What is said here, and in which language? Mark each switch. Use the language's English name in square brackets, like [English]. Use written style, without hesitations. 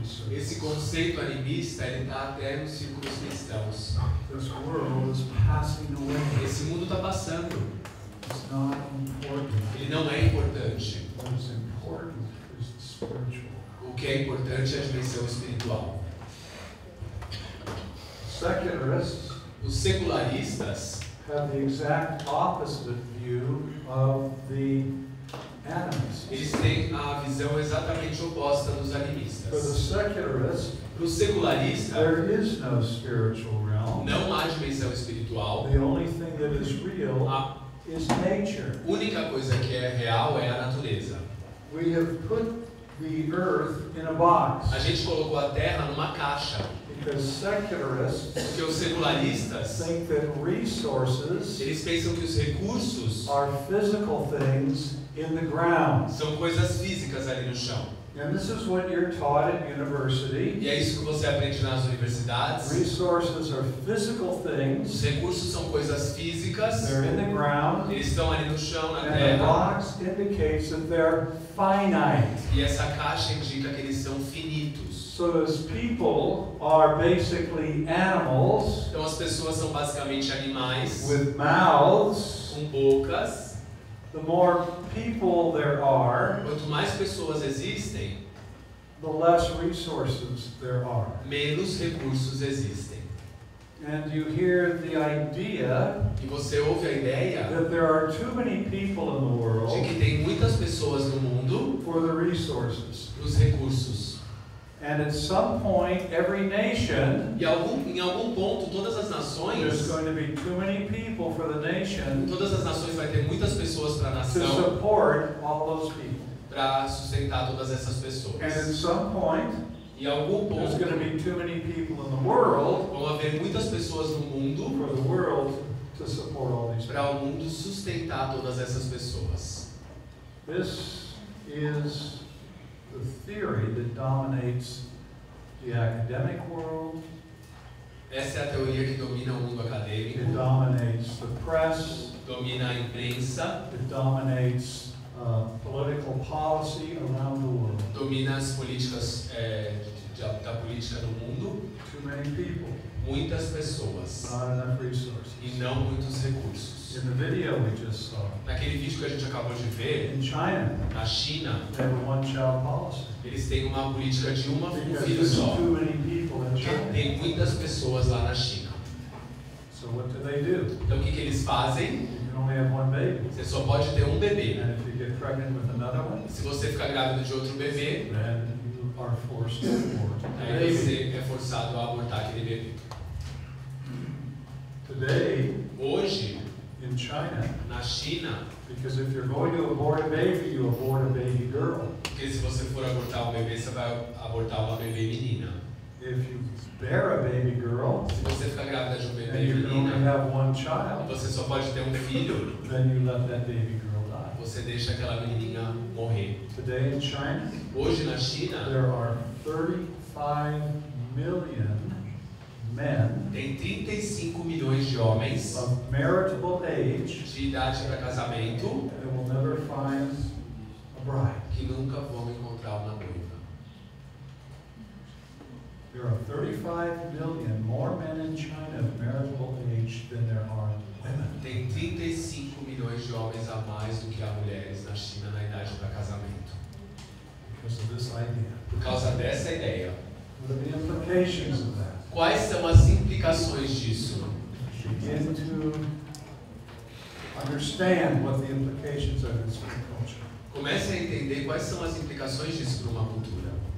[Portuguese] Esse conceito animista está até nos círculos cristãos. [English] This world is passing away. [Portuguese] Esse mundo está passando. [English] It's not important. [Portuguese] Ele não é importante. [English] What is important is the spiritual. [Portuguese] O que é importante é a dimensão espiritual. [English] Secularists, [Portuguese] os secularistas, [English] have the exact opposite view of the animists. [Portuguese] Eles têm a visão exatamente oposta dos animistas. [English] For the secularist, [Portuguese] para o secularista, [English] there is no spiritual realm. [Portuguese] Não há dimensão espiritual. [English] The only thing that is real is nature. [Portuguese] A única coisa que é real é a natureza. [English] We have put the earth in a box. [Portuguese] A gente colocou a terra numa caixa. Porque os secularistas [English] think that resources, [Portuguese] eles pensam que os recursos [English] are physical things in the ground. [Portuguese] São coisas físicas ali no chão. [English] And this is what you're taught at university. [Portuguese] E é isso que você aprende nas universidades. [English] Resources are physical things. [Portuguese] Os recursos são coisas físicas. [English] They're in the ground. [Portuguese] Eles estão ali no chão, na [English] and [Portuguese] terra. [English] The box indicates that they're finite. [Portuguese] E essa caixa indica que eles são finitos. [English] So as people are basically animals. [Portuguese] Então as pessoas são basicamente animais. [English] With mouths. [Portuguese] Com bocas. [English] The more people there are, [Portuguese] quanto mais pessoas existem, [English] the less resources there are. [Portuguese] Menos recursos existem. [English] And you hear the idea, [Portuguese] e você ouve a ideia, [English] that there are too many people in the world, [Portuguese] de que tem muitas pessoas no mundo, [English] for the resources, [Portuguese] os recursos. [English] And at some point, every nation, [Portuguese] e em algum ponto, todas as nações, [English] there's going to be too many people for the nation, [Portuguese] todas as nações vai ter muitas pessoas para a nação, [English] to support all those people, [Portuguese] para sustentar todas essas pessoas. [English] And at some point, [Portuguese] e algum ponto, [English] there's going to be too many people in the world, [Portuguese] vão haver muitas pessoas no mundo, [English] for the world to support all these, [Portuguese] para o mundo sustentar todas essas pessoas. [English] This is the theory that dominates the academic world. [Portuguese] Essa é a teoria que domina o mundo acadêmico. [English] It dominates the press. [Portuguese] Domina a imprensa. [English] It dominates political policy around the world. [Portuguese] Domina as políticas da política do mundo. [English] Too many people. [Portuguese] Muitas pessoas. [English] Not enough resources. [Portuguese] E não muitos recursos. [English] In the video we just saw, [Portuguese] naquele vídeo que a gente acabou de ver, [English] in China, [Portuguese] na China, [English] they have a one-child policy. [Portuguese] Eles têm uma política de uma filha só. [English] Too many people in China. [Portuguese] Tem muitas pessoas lá na China. [English] So what do they do? [Portuguese] Então o que, que eles fazem? [English] You can only have one baby. [Portuguese] Você só pode ter um bebê. [English] And if you get pregnant with another one, [Portuguese] se você ficar grávida de outro bebê, [English] then you are forced to abort. [Portuguese] Aí você é forçado a abortar aquele bebê. [English] Today, [Portuguese] hoje, [English] in China, [Portuguese] na China, [English] because if you're going to abort a baby, you abort a baby girl. [Portuguese] Porque se você for abortar um bebê, você vai abortar uma bebê menina. [English] If you bear a baby girl, [Portuguese] se você ficar grávida de um bebê [English] and [Portuguese] menina, [English] you only have one child, [Portuguese] você só pode ter um filho. [English] Then you let that baby girl die. [Portuguese] Você deixa aquela menininha morrer. [English] Today in China, [Portuguese] hoje na China, [English] there are 35 million. [Portuguese] Tem 35 milhões de homens [English] of marital age, [Portuguese] de idade para casamento, [English] and will never find a bride. [Portuguese] Que nunca vão encontrar uma noiva. [English] There are 35 million more men in China of marital age than there are women. [Portuguese] Tem 35 milhões de homens a mais do que há mulheres na China na idade para casamento. [English] Because of this idea. [Portuguese] Por causa dessa ideia. [English] What are the implications of that? [Portuguese] Quais são as implicações disso? [English] Begin to understand what the implications of this culture. [Portuguese] Comece a entender quais são as implicações disso para uma cultura.